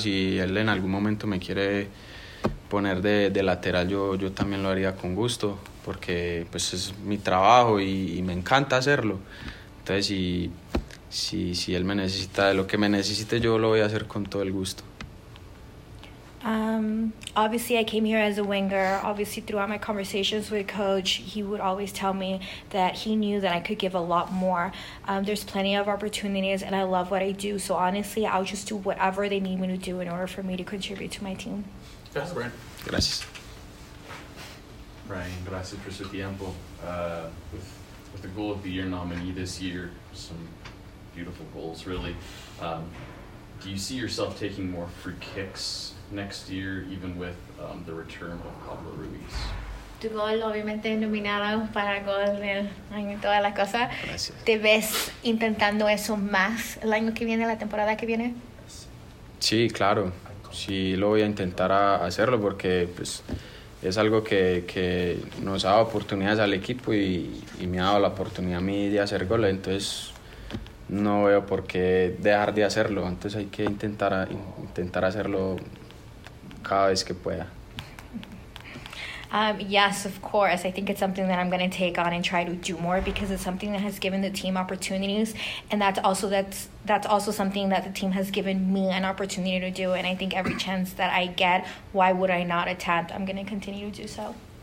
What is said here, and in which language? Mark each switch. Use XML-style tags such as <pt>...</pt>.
<es>Si él en algún momento me quiere poner de lateral, yo también lo haría con gusto, porque pues es mi trabajo y me encanta hacerlo. Entonces si él me necesita, de lo que me necesite, yo lo voy a hacer con todo el gusto.</es> <en>Obviously, I came here as a winger. Obviously, throughout my conversations with coach, he would always tell me that he knew that I could give a lot more. There's plenty of opportunities, and I love what I do. So honestly, I'll just do whatever they need me to do in order for me to contribute to my team.</en> <es>Gracias, Brian. Gracias. Brian, gracias por su tiempo.</es> <en>With the goal of the year nominee this year, some beautiful goals, really. Do you see yourself taking more free kicks next year, even with the return of Pablo Ruiz?</en> <es>Tu gol, obviamente, nominado para el gol del año y toda la cosa. Gracias. ¿Te ves intentando eso más el año que viene, la temporada que viene? Sí, claro. Sí, lo voy a intentar a hacerlo, porque pues es algo que nos ha dado oportunidades al equipo y me ha dado la oportunidad a mí de hacer gol. Entonces no veo por qué dejar de hacerlo. Entonces hay que intentar hacerlo cada vez que pueda.</es> <en>Yes, of course. I think it's something that I'm going to take on and try to do more, because it's something that has given the team opportunities, and that's also something that the team has given me an opportunity to do. And I think every chance that I get, why would I not attempt? I'm going to continue to do so.</en>